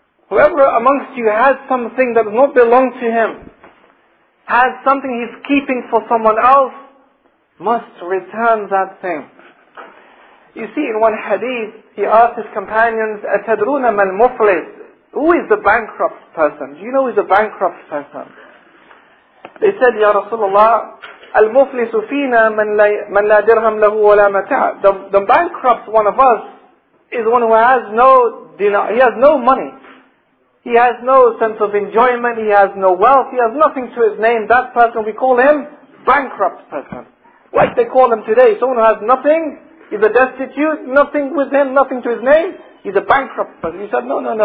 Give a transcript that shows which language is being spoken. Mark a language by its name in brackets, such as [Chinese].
[English] Whoever amongst you has something that does not belong to him, has something he's keeping for someone else, must return that thing. You see, in one hadith, he asked his companions, [Arabic] أَتَدْرُونَ مَا الْمُفْلِسِ? [English] Who is the bankrupt person? Do you know who is the bankrupt person? They said, [Arabic] يَا رَسُولَ اللَّهِ الْمُفْلِسُ فِينَا مَنْ لَا دِرْهَمْ لَهُ وَلَا مَتَعَ. [English] The bankrupt one of us is one who has no dinar. He has no money. He has no sense of enjoyment. He has no wealth. He has nothing to his name. That person, we call him bankrupt person. Like they call him today. Someone who has nothing, is a destitute, nothing with him, nothing to his name, he's a bankrupt person. He said, no.